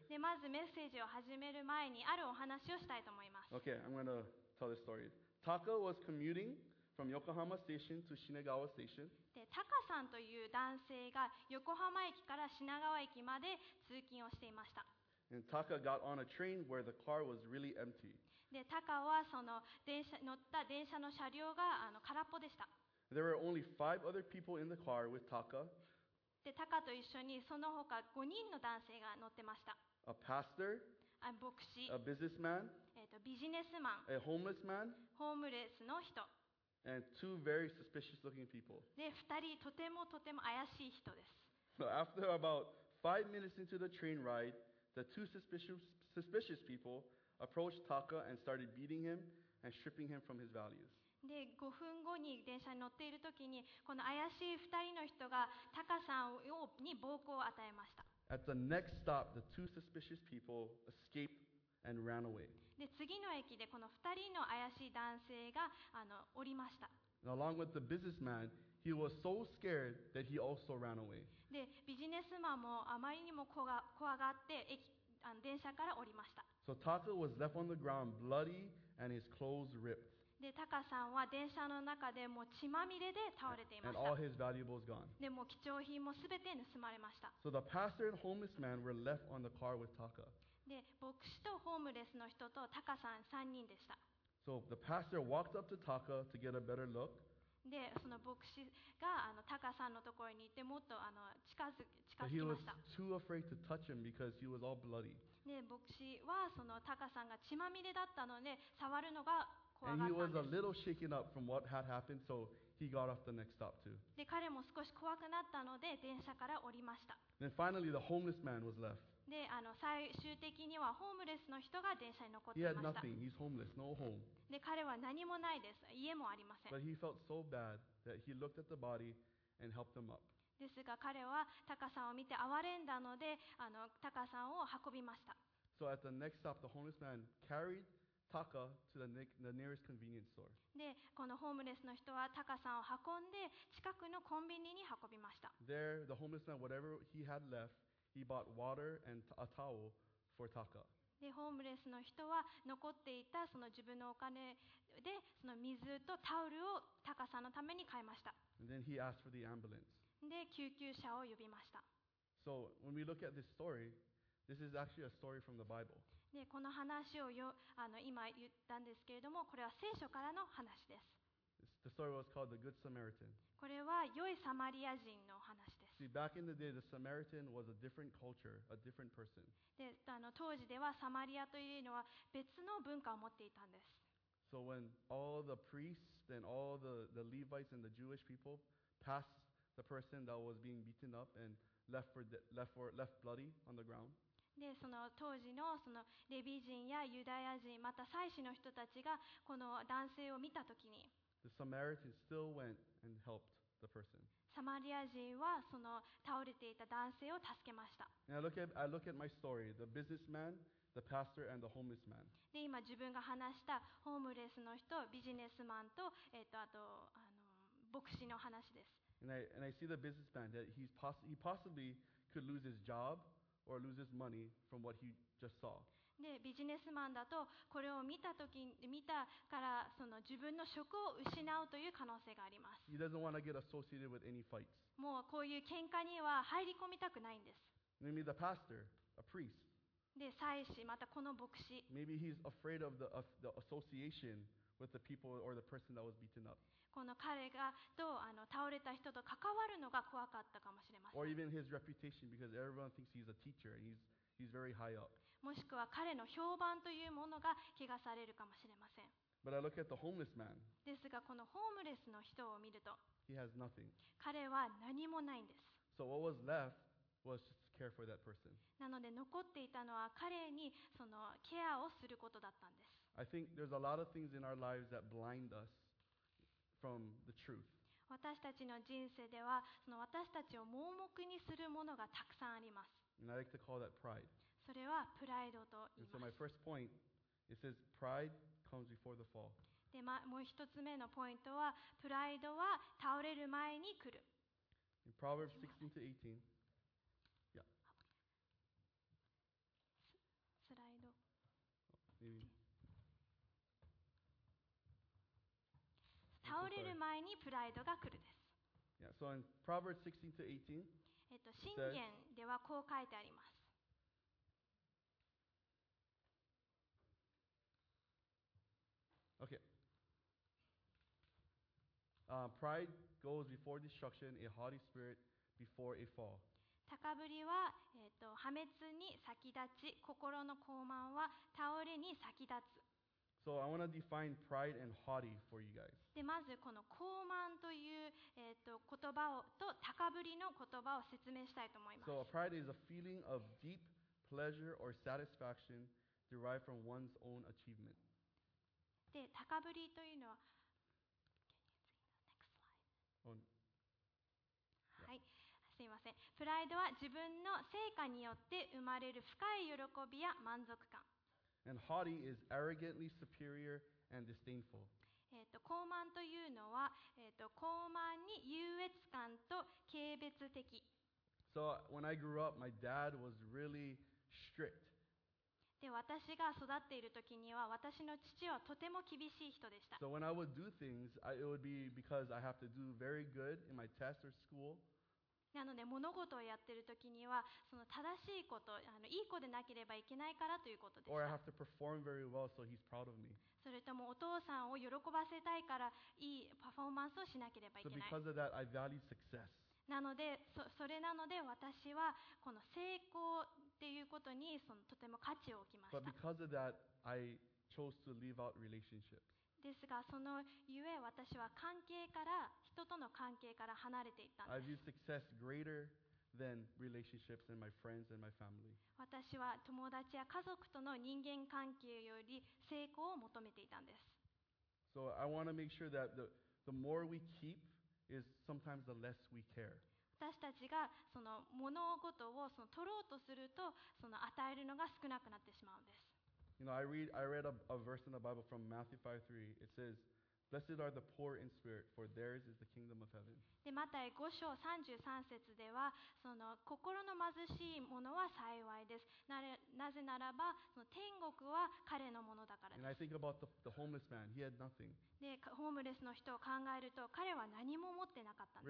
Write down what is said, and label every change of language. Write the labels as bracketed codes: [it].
[ja] で、まずメッセージを始める前にあるお話をしたいと思います。 [en] Okay, I'm going to tell this story. Taka was commuting. From Yokohama Station to Shinagawa Station. [ja] で、タカさんという男性が横浜駅から品川駅まで通勤をしていました。 [en] And Taka got on a train where the car was really empty. [ja] で、タカはその電車乗った電車の車両が空っぽでした。 [en] There were only five other people in the car with Taka. [ja] で、タカと一緒にその他5人の男性が乗ってました。 [en] A pastor. [ja] A 牧師。 [en] A businessman. [ja] ビジネスマン。 [en] A homeless man. [ja] ホームレスの人。 [en] And two very suspicious-looking people. [ja] で、二人とてもとても怪しい人です。 [en] So after about 5 minutes into the train ride, the two suspicious people approached Taka and started beating him and stripping him from his values [ja] で、5分後に電車に乗っているときに、この怪しい二人の人がタカさんに暴行を与えました。 [en] At the next stop, the two suspicious people escapedAnd ran away. [ja] で、次の駅でこの2人の怪しい男性が降りました。 [en] Along with the businessman, he was so scared that he also ran away. [ja] で、ビジネスマンもあまりにも怖がって電車から降りました。 [en] So Taka was left on the ground, bloody, and his clothes ripped. [ja] で、タカさんは電車の中でもう血まみれで倒れていました。 [en] And all his valuables gone. [ja] で、もう貴重品もすべて盗まれました。 [en] So the pastor and homeless man were left on the car with Taka. [ja] で、牧師とホームレスの人とタカさん3人でした。 [en] So the pastor walked up to Taka to get a better look. [ja] で、その牧師がタカさんのところに行ってもっと近づきました。 [en] But he was too afraid to touch him because he was all bloody. [ja] で、牧師はそのタカさんが血まみれだったので触るのが怖かったんです。 [en] And he was a little shaken up from what had happened, so he got off the next stop too. [ja] で、彼も少し怖くなったので電車から降りました。 [en] Then finally the homeless man was left. [ja] で、最終的にはホームレスの人が電車に残っていました。 [en] He had nothing. He's homeless. No home. [ja] で彼は何もないです。家もありません。 [en] But he felt so bad that he looked at the body and helped him up. [ja] ですが彼はタカさんを見て憐れんだのでタカさんを運びました。 [en] So at the next stop, the homeless man carried Taka to the nearest convenience store. [ja] でこのホームレスの人はタカさんを運んで近くのコンビニに運びました。 [en] There, the homeless man, whatever he had left, he bought water and a towel for Taka. [ja] でホームレスの人は残っていたその自分のお金でその水とタオルをタカさんのために買いました。 [en] And then he asked for the ambulance. [ja] で救急車を呼びました。 [en] So when we look at this story, this is actually a story from the Bible. [ja] でこの話をよ今言ったんですけれどもこれは聖書からの話です。 [en] The story was called the Good Samaritan. [ja] これは良いサマリア人の話です。 [en] See, back in the day, the Samaritan was a different culture, a different person. [ja] で、当時ではサマリアというのは別の文化を持っていたんです。 [en] So when all the priests and all the Levites and the Jewish people passed the person that was being beaten up and left bloody on the ground. [ja] でその当時 の, そのレビ人やユダヤ人また祭司の人たちがこの男性を見たときに [en] the Samaritan still went and helped the person. [ja] サマリア人はその倒れていた男性を助けました。 [en] I look at my story, the businessman, the pastor, and the homeless man. [ja] で今自分が話したホームレスの人、ビジネスマンと、あと牧師の話です。 [en] And I see the businessman that he possibly could lose his job. Or lose his money from what he just saw. [ja] で、ビジネスマンだとこれを見た時に見たからその自分の職を失うという可能性があります。 [en] He doesn't want to get associated with any fights. [ja] もうこういう喧嘩には入り込みたくないんです。 [en] Maybe the pastor, a priest. [ja] で、祭司またこの牧師。 [en] Maybe he's afraid of the association with the people or the person that was beaten up. [ja] この彼がと倒れた人と関わるのが怖かったかもしれません。 [en] Or even his reputation, because everyone thinks he's a teacher and he's very high up. [ja] もしくは彼の評判というものが怪我されるかもしれません。 [en] But I look at the homeless man. [ja] ですがこのホームレスの人を見ると、 [en] he has nothing. [ja] 彼は何もないんです。 [en] So what was left was just to care for that person. [ja] なので残っていたのは彼にそのケアをすることだったんです。 [en] I think there's a lot of things in our lives that blind us. From the truth. [ja] 私たちの人生ではその私たちを盲目にするものがたくさんあります。 [en] And I like to call that pride. [ja] それはプライドと言います。 [en] And so my first point, it says pride comes before the fall. [ja] で、もう一つ目のポイントはプライドは倒れる前に来る。 [en] In Proverbs 16 to 18. Yeah. [ja] スライド。 [en] Maybe. [ja] 倒れる前にプライドが来るです。 [en] Yeah, so in Proverbs 16 to 18, [ja] 箴言ではこう書いてあります。 [en] Okay. Pride goes before destruction, a haughty spirit before a fall. [ja] 高ぶりは、破滅に先立ち、心の高慢は倒れに先立つ。 [en] So I want to define pride and haughty for you guys. [ja] で、まずこの高慢という言葉をと高ぶりの言葉を説明したいと思います。 [en] So pride is a feeling of deep pleasure or satisfaction derived from one's own achievement. [ja] で、高ぶりというのは、 [en] Can you see the next slide? [ja] はい、すみません。プライドは自分の成果によって生まれる深い喜びや満足感。 [en] And haughty is arrogantly superior and disdainful. [ja] 高慢というのは、高慢に優越感と軽蔑的。 [en] So when I grew up, my dad was really strict. [ja] で、私が育っている時には、私の父はとても厳しい人でした。 [en] So when I would do things, it would be because I have to do very good in my test or school. [ja] なので物事をやっているときにはその正しいこと、いい子でなければいけないからということでした。 [en] Or I have to perform very well so he's proud of me. [ja] それともお父さんを喜ばせたいからいいパフォーマンスをしなければいけない。 [en] So because of that, I value success. [ja] なので それなので私はこの成功っていうことにそのとても価値を置きました。 [en] But because of that, I chose to leave out relationships. [ja] ですがそのゆえ私は関係から人との関係から離れていったんです。 [en] I view success greater than relationships and my friends and my family. [ja] 私は友達や家族との人間関係より成功を求めていたんです。 [en] So I want to make sure that the more we keep is sometimes the less we care. [ja] 私たちがその物事をその取ろうとするとその与えるのが少なくなってしまうんです。 [en] You know, I read a verse in the Bible from Matthew 5:3. It says, "Blessed are the poor in spirit, for theirs is the kingdom of heaven." [ja] で、マタイ5章33節では、その心の貧しいものは幸いです。なぜならば、その天国は彼のものだからです。 [en] And I think about the homeless man. He had nothing. [ja] で、ホームレスの人を考えると、彼は何も持ってなかったんです。